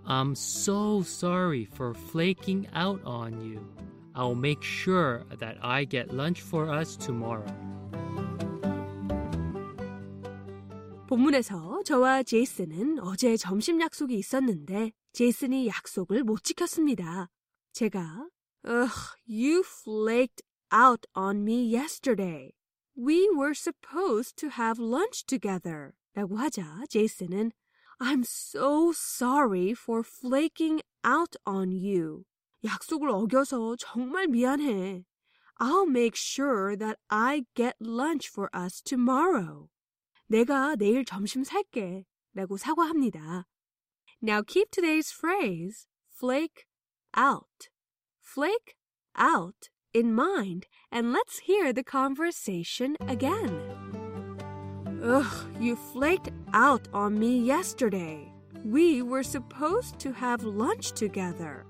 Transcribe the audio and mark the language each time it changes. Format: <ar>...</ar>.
<en>I'm so sorry for flaking out on you. I'll make sure that I get lunch for us tomorrow.</en> <ko>본문에서 저와 제이슨은 어제 점심 약속이 있었는데 제이슨이 약속을 못 지켰습니다. 제가</ko> <en>Ugh, you flaked out on me yesterday. We were supposed to have lunch together.</en> <ko>라고 하자 제이슨은</ko> <en>I'm so sorry for flaking out on you.</en> <ko>약속을 어겨서 정말 미안해.</ko> <en>I'll make sure that I get lunch for us tomorrow.</en> <ko>내가 내일 점심 살게 라고 사과합니다.</ko> <en>Now keep today's phrase, flake out. Flake out in mind, and let's hear the conversation again. Ugh, you flaked out on me yesterday. We were supposed to have lunch together.</en>